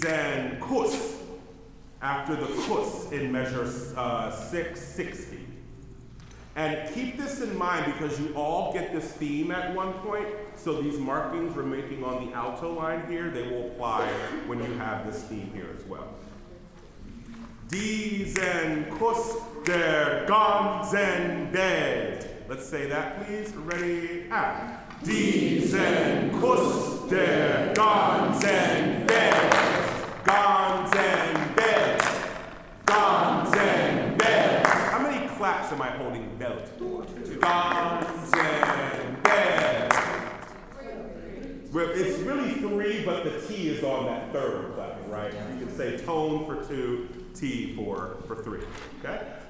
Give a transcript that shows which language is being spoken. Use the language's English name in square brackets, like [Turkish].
[English] Zen Kus, after the Kus in measure 660. And keep this in mind because you all get this theme at one point. So these markings we're making on the alto line here, they will apply when you have this theme here as well. [German] Diesen Kuss der ganzen Welt. [English] Let's say that, please. Ready? Ah. [German] Diesen Kuss der ganzen Welt. Ganzen Welt. Ganzen Welt. [English] How many claps am I holding belt? Two. [German] Ganzen Welt. [English] Three. It's really three, but the T is on that third button, right? You can say tone for two. T for three, okay?